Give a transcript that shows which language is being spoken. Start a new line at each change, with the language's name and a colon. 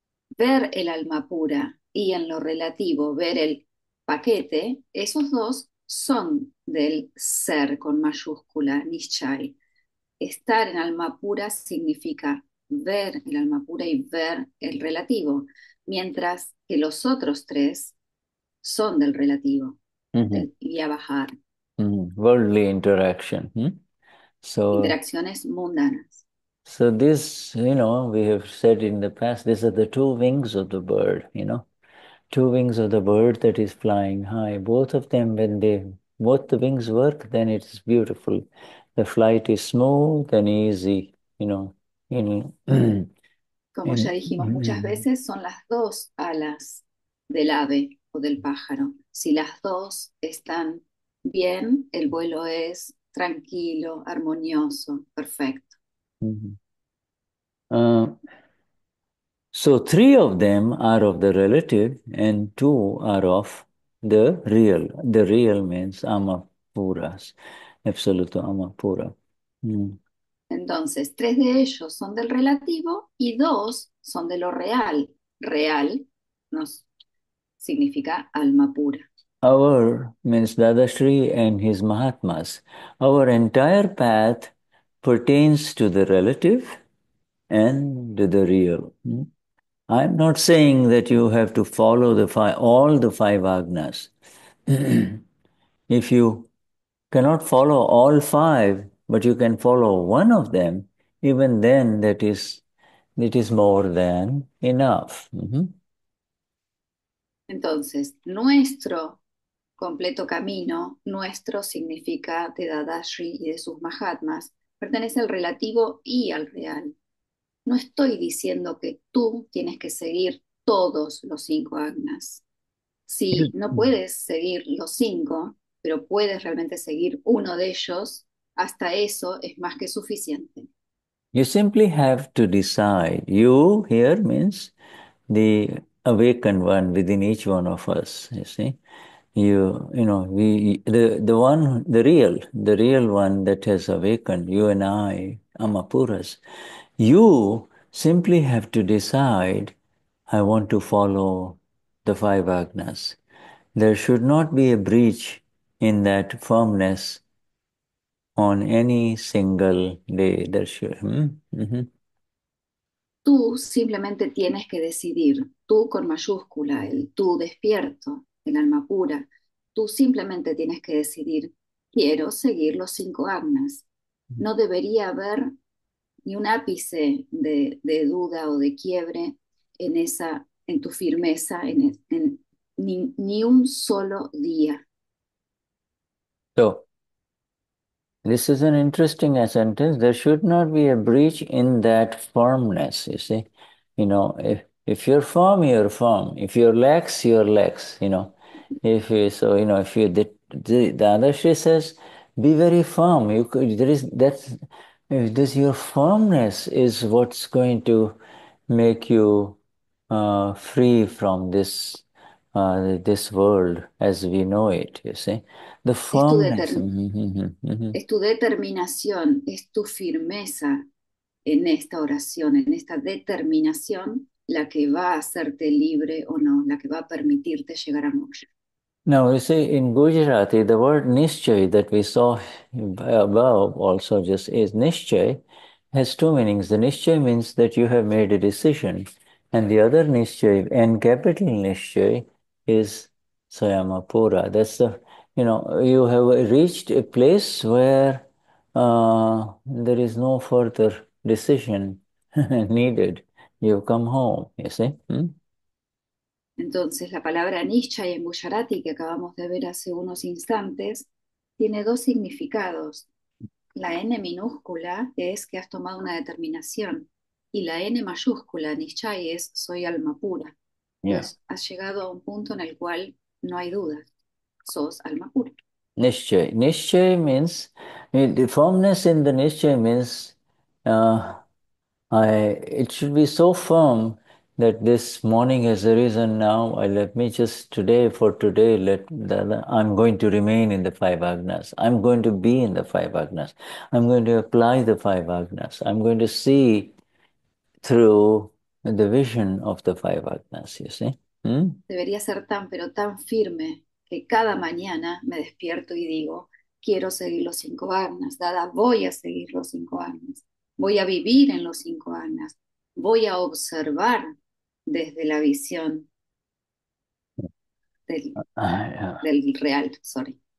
Spanish: Ver el alma pura y en lo relativo ver el paquete, esos dos son del ser con mayúscula, nishchay. Estar en alma pura significa ver el alma pura y ver el relativo, mientras que los otros tres son del relativo, del vyavahar.
English: Worldly interaction. So,
Spanish: Interacciones mundanas.
English: this, you know, we have said in the past, these are the two wings of the bird, you know, two wings of the bird that is flying high. Both of them, when they both the wings work, then it's beautiful. The flight is smooth and easy, you know,
Spanish: Como ya dijimos muchas veces, son las dos alas del ave o del pájaro. Si las dos están bien, el vuelo es tranquilo, armonioso, perfecto.
English: So three of them are of the relative and two are of the real. The real means ama puras, absoluto ama pura.
Spanish: Entonces, tres de ellos son del relativo y dos son de lo real. Real nos significa alma pura.
English: Our means Dadashri and his Mahatmas. Our entire path pertains to the relative and to the real. I'm not saying that you have to follow all the five agnas. If you cannot follow all five, but you can follow one of them, even then that is more than enough.
Spanish: Entonces, nuestro completo camino, nuestro significa de Dadashri y de sus mahatmas, pertenece al relativo y al real. No estoy diciendo que tú tienes que seguir todos los cinco agnas. Sí, no puedes seguir los cinco, pero puedes realmente seguir uno de ellos, hasta eso es más que suficiente.
English: You simply have to decide. You here means the awakened one within each one of us, you see. The one, the real one that has awakened, you and I, Amapuras. You simply have to decide, I want to follow the five agnas. There should not be a breach in that firmness on any single day. There should.
Spanish: Tú simplemente tienes que decidir, tú con mayúscula, el tú despierto, el alma pura, tú simplemente tienes que decidir, quiero seguir los cinco agnas. No debería haber ni un ápice de duda o de quiebre en esa, en tu firmeza, ni un solo día.
English: So, this is an interesting sentence. There should not be a breach in that firmness, you see. If you're firm, you're firm. If you're lax, you're lax, you know. If you the Dadashri says, be very firm. You could there is that's if this your firmness is what's going to make you free from this world as we know it, you see. The
Spanish: Es tu
English: firmness.
Spanish: determinación, es tu firmeza en esta oración, en esta determinación, la que va a hacerte libre o no, la que va a permitirte llegar a moksha.
English: Now, you see, in Gujarati, the word nishchay that we saw above also just is nishchay has two meanings. The nishchay means that you have made a decision, and the other nishchay, and capital nishchay, is Swayamapura. That's the you have reached a place where there is no further decision needed. You've come home, you see.
Spanish: Entonces, la palabra nishchay en Gujarati que acabamos de ver hace unos instantes tiene dos significados. La N minúscula es que has tomado una determinación y la N mayúscula, nishchay, es soy alma pura. Pues has llegado a un punto en el cual no hay duda, sos alma pura. Nishchay.
English: Nishchay means, the firmness in the nishchay means it should be so firm that this morning has arisen now. Let me just today, for today, I'm going to remain in the five agnas. I'm going to be in the five agnas. I'm going to apply the five agnas. I'm going to see through the vision of the five agnas, you see.
Spanish: Debería ser tan, pero tan firme que cada mañana me despierto y digo, quiero seguir los cinco agnas, dada, voy a seguir los cinco agnas, voy a vivir en los cinco agnas, voy a observar desde la visión del real, sorry.